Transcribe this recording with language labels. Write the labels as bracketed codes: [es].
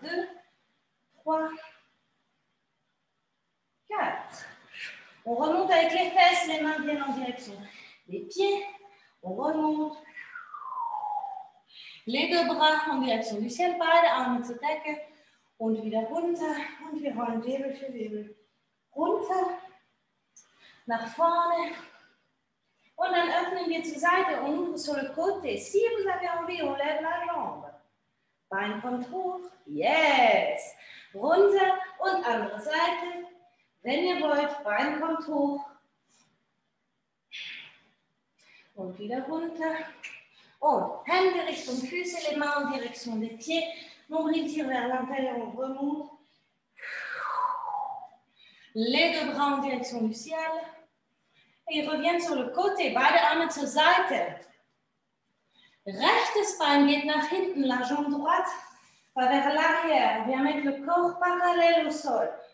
[fr] Deux, trois. On remonte avec les fesses, les mains viennent en direction des pieds. On remonte. Les deux bras en direction du ciel, [de] beide Arme zur Decke. Und wieder runter. Und wir rollen Wirbel für Wirbel. Runter. Nach vorne. Und dann öffnen wir zur Seite und [fr] sur le côté. Si vous avez envie, on lève la jambe. [de] Bein kommt hoch. Yes. Runter und andere Seite. Wenn ihr wollt, Bein kommt hoch und wieder runter und Hände Richtung Füße, [fr] les mains en direction des pieds, mobilisieren vers l'intérieur, on remonte, les deux bras en direction du ciel et revient sur le côté, [de] beide Arme zur Seite, rechtes Bein geht nach hinten, [fr] la jambe droite va vers l'arrière, wir mettre le corps parallèle au sol.